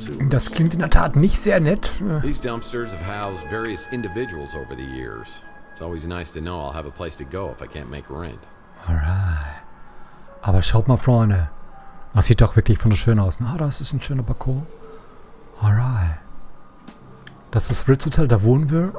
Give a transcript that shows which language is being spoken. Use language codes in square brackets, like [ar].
[de] Das klingt in der Tat nicht sehr nett. [en] These dumpsters have housed various individuals over the years. It's always nice to know I'll have a place to go if I can't make rent. [de] Alright. Aber schaut mal, Freunde. Das sieht doch wirklich wunderschön aus. Na, das ist ein schöner Balkon. Alright. Das ist Ritz Hotel, da wohnen wir.